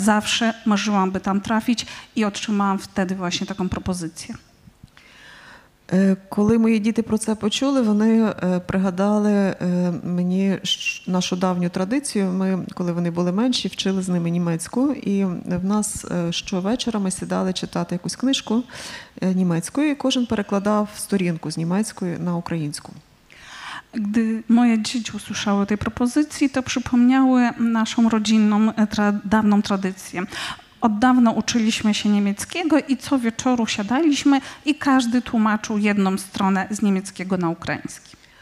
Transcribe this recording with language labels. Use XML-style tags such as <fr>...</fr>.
<pl>Zawsze marzyłam, by tam trafić i otrzymałam wtedy właśnie taką propozycję.</pl> <uk>Коли мої діти про це почули, вони пригадали мені нашу давню традицію. Ми, коли вони були менші, вчили з ними німецьку, і в нас щовечора ми сідали читати якусь книжку німецькою, і кожен перекладав сторінку з німецької на українську.</uk> <pl>Gdy moje dzieci usłyszały tej propozycji, to przypomniały naszą rodzinną dawną tradycję. Od dawna uczyliśmy się niemieckiego i co wieczoru siadaliśmy i każdy tłumaczył jedną stronę z niemieckiego na ukraiński.</pl>